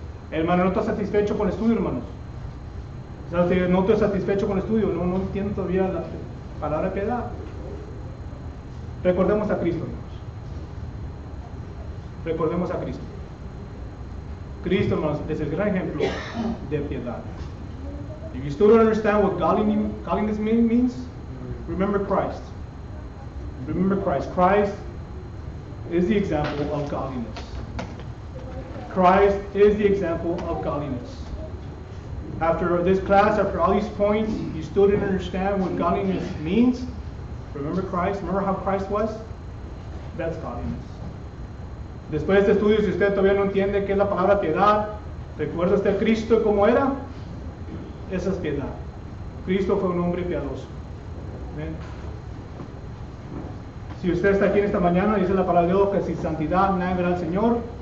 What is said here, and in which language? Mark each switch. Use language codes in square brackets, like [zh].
[es] Hermano, no estoy satisfecho con el estudio, hermanos. No estoy satisfecho con el estudio, no entiendo todavía la palabra piedad. Recordemos a Cristo, hermanos. Recordemos a Cristo. Cristo, hermanos, es el gran ejemplo de piedad. [en] If you still don't understand what godliness means, remember Christ. Remember Christ. Christ is the example of godliness. Christ is the example of godliness. After this class, after all these points, you still didn't understand what godliness means. Remember Christ. Remember how Christ was? That's godliness. [es] Después de este estudio, si usted todavía no entiende qué es la palabra piedad, ¿recuerda usted Cristo cómo era? Esa es piedad. Cristo fue un hombre piadoso. Amen. Si usted está aquí en esta mañana, dice la palabra de Dios que sin santidad nadie verá al Señor.